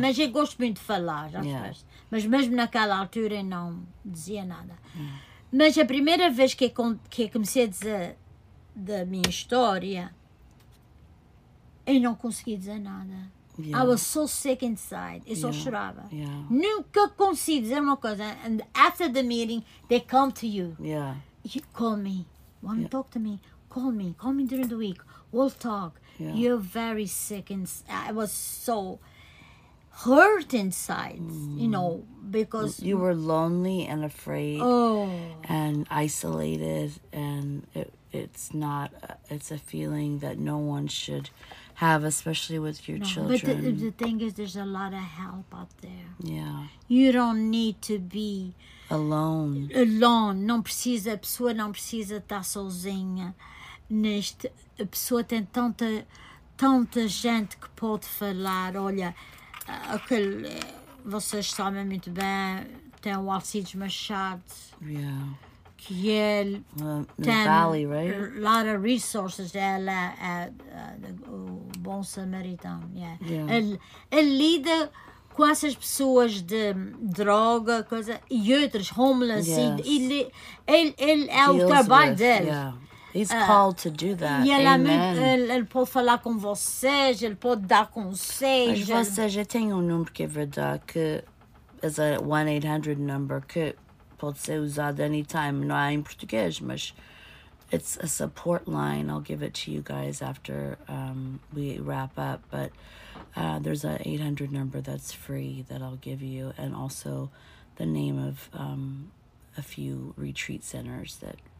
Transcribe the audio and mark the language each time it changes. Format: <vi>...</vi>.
<pt>Mas eu gosto muito de falar. Já</pt> <en>yeah.</en> <pt>Mas mesmo naquela altura eu não dizia nada.</pt> <en>Yeah.</en> <pt>Mas a primeira vez que eu comecei a dizer da minha história, eu não consegui dizer nada.</pt> <en>Yeah. I was so sick inside.</en> <pt>Eu só chorava.</pt> <en>Yeah.</en> <pt>Nunca consegui dizer uma coisa.</pt> <en>And after the meeting, they come to you. Yeah. You call me. Want to talk to me? Call me. Call me during the week. We'll talk. Yeah. You're very sick inside. I was so... hurt inside, you know, because you were lonely and afraid and isolated, and it's a feeling that no one should have, especially with your children. But the thing is, there's a lot of help out there. Yeah, you don't need to be alone.</en> <pt>Não precisa, a pessoa não precisa estar sozinha neste. A pessoa tem tanta gente que pode falar. Olha, aquele, vocês sabem muito bem, tem o Alcides Machado.</pt> <en>Yeah.</en> <pt>Que ele</pt> <en>tem Valley, right? A lot of resources.</en> <pt>Ela é o bom samaritano.</pt> <en>Yeah. Yeah.</en> <pt>Ele lida com essas pessoas de droga, coisa, e outras, homeless.</pt> <en>Yes.</en> <pt>Ele é o trabalho dele.</pt> <en>He's called to do that.</en> <pt>E ele,</pt> <en>amen.</en> <pt>Ele pode falar com vocês, ele pode dar conselhos. Mas vocês, eu tenho número que é verdade, que é um 1-800 number que pode ser usado anytime. Não é em português, mas</pt> <en>it's a support line. I'll give it to you guys after we wrap up. But there's an 800 number that's free that I'll give you. And also the name of a few retreat centers that...</en>